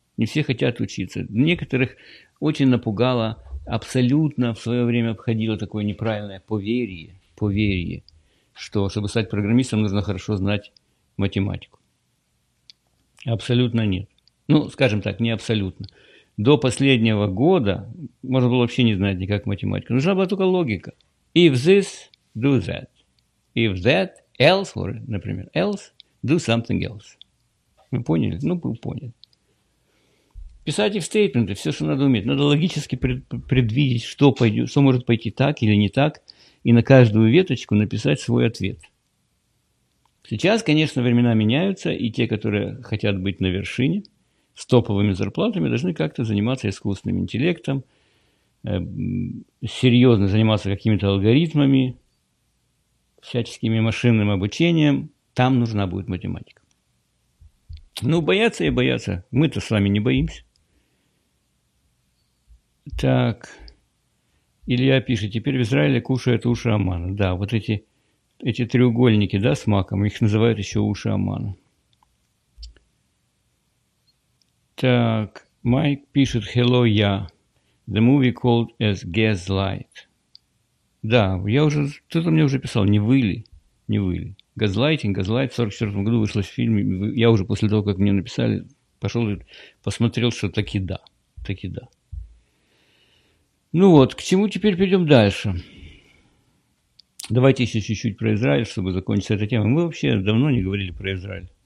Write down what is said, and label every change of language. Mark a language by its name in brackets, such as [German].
[Russian] Не все хотят учиться. Некоторых очень напугало, абсолютно в свое время обходило такое неправильное поверье, что чтобы стать программистом, нужно хорошо знать математику. Абсолютно нет. Ну, скажем так, не абсолютно. До последнего года можно было вообще не знать никак математику. Нужна была только логика. [English] If this, do that. If that, else, or, [Russian] например, [English] else, do something else. [Russian] Вы поняли? Ну, вы поняли. Писать if statement'ы, все, что надо уметь. Надо логически предвидеть, что может пойти так или не так, и на каждую веточку написать свой ответ. Сейчас, конечно, времена меняются, и те, которые хотят быть на вершине, с топовыми зарплатами, должны как-то заниматься искусственным интеллектом, серьезно заниматься какими-то алгоритмами, всяческими машинным обучением. Там нужна будет математика. Ну, боятся и боятся. Мы-то с вами не боимся. Так, Илья пишет, теперь в Израиле кушают уши Амана. Да, вот эти треугольники, да, с маком, их называют еще уши Амана. Так, Майк пишет, hello, я. [English] The movie called as Gaslight. [Russian] Да, я уже, кто-то мне уже писал, не выли. Gaslight в 44-м году вышло в фильме, я уже после того, как мне написали, пошел и посмотрел, что таки да. Ну вот, к чему теперь перейдем дальше? Давайте еще чуть-чуть про Израиль, чтобы закончить эту тему. Мы вообще давно не говорили про Израиль.